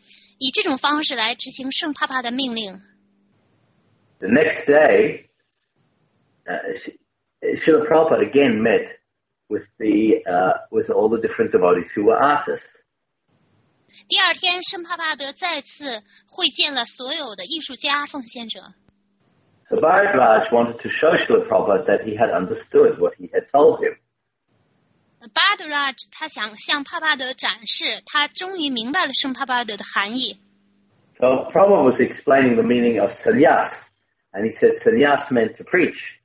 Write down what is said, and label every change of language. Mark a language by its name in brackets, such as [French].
[Chinese] 他越是思考到这一点，他就是越来越高兴能够以这种方式来执行圣帕帕的命令。 [English] The next day, Srila Prabhupada again met with all the different devotees who were artists. [Chinese] 第二天，圣帕帕德再次会见了所有的艺术家奉献者。 [English] So Bharadvaj wanted to show Srila Prabhupada that he had understood what he had told him. [Chinese] Bharadvaj 他想向帕帕德展示，他终于明白了圣帕帕德的含义。 [English] So Prabhupada was explaining the meaning of sannyas, and he said sannyas meant to preach.